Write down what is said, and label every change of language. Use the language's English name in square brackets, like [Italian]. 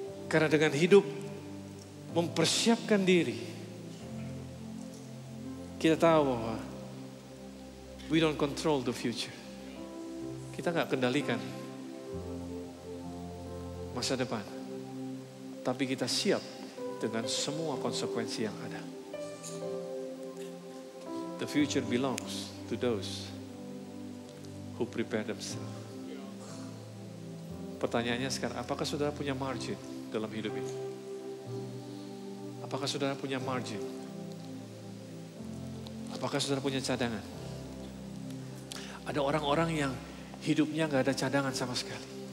[Indonesian] Karena dengan hidup mempersiapkan diri, kita tahu bahwa [English] we don't control the future. [Indonesian] Kita gak kendalikan masa depan. Tapi kita siap dengan semua konsekuensi yang ada. [English] The future belongs to those who prepare themselves. [Indonesian] Pertanyaannya sekarang, apakah saudara punya margin dalam hidup ini? Apakah saudara punya margin? Apakah saudara punya cadangan? Ada orang-orang yang hidupnya gak ada cadangan sama sekali.